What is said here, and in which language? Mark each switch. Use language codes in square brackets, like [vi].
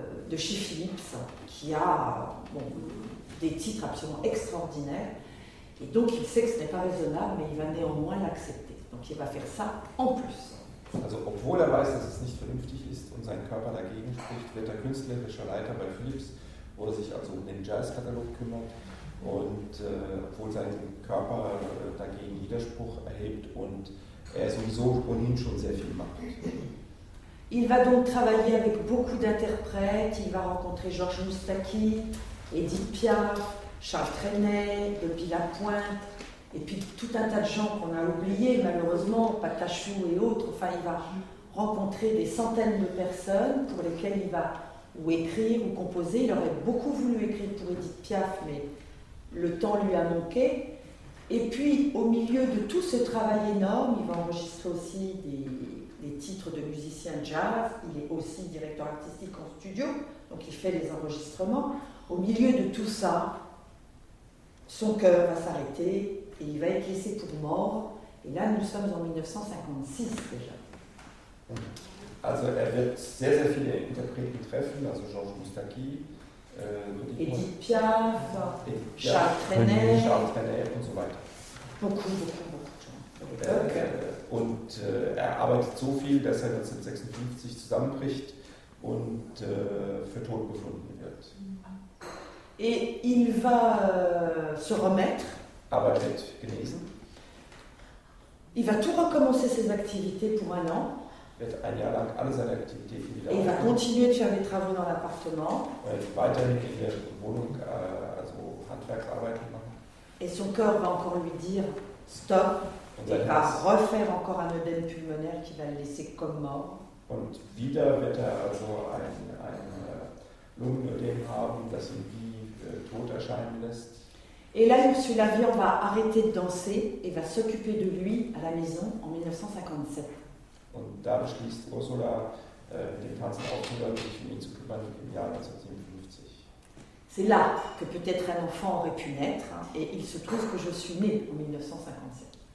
[fr] de Chi Philips, qui a bon, des titres absolument extraordinaires. Et donc, il sait que ce n'est pas raisonnable, mais il va néanmoins l'accepter. Donc, il va faire ça en plus. [de] Also, obwohl er weiß, dass es nicht vernünftig ist und sein Körper dagegen spricht, wird er künstlerischer Leiter bei Philips, wo er sich also um den Jazzkatalog kümmert. Und obwohl sein Körper dagegen Widerspruch erhebt und er sowieso ohnehin schon sehr viel macht. [fr] Il va donc travailler avec beaucoup d'interprètes, il va rencontrer Georges Moustaki, Edith Piaf, Charles Trenet, Bobby Lapointe, et puis tout un tas de gens qu'on a oubliés malheureusement, Patachou et autres. Enfin, il va rencontrer des centaines de personnes pour lesquelles il va ou écrire ou composer. Il aurait beaucoup voulu écrire pour Edith Piaf, mais le temps lui a manqué. Et puis, au milieu de tout ce travail énorme, il va enregistrer aussi des titres de musiciens jazz. Il est aussi directeur artistique en studio, donc il fait les enregistrements. Au milieu de tout ça, son cœur va s'arrêter et il va être laissé pour mort. Et là, nous sommes en 1956 déjà. [de] Also, er wird sehr, sehr viele Interpreten treffen, also Georges Moustaki, Edith Piaf, Charles Trenet und so weiter. [fr] Beaucoup. [de] Er arbeitet so viel, dass er 1956 zusammenbricht und für tot befunden wird. [fr] Et il va se remettre. [de] Aber wird genesen. [fr] Il va tout recommencer ses activités pour un an. [de] Wird ein Jahr lang alle seine Aktivitäten wieder aufnehmen. [fr] Il va continuer de faire des travaux dans l'appartement. [de] Wird weiterhin in der Wohnung also Handwerksarbeiten machen. [fr] Et son cœur va encore lui dire stop. Et va refaire encore un œdème pulmonaire qui va le laisser comme mort. [de] Und wieder wird also ein Lungenödem haben, das ihn wie tot erscheinen lässt. [fr] Et là, M. Lavian va arrêter de danser et va s'occuper de lui à la maison en 1957. [de] Und da beschließt Ursula, den Tanzen aufzuhören, sich um ihn zu kümmern im Jahr 1957. [fr] C'est là que peut-être un enfant aurait pu naître, et il se trouve que je suis née en 1957.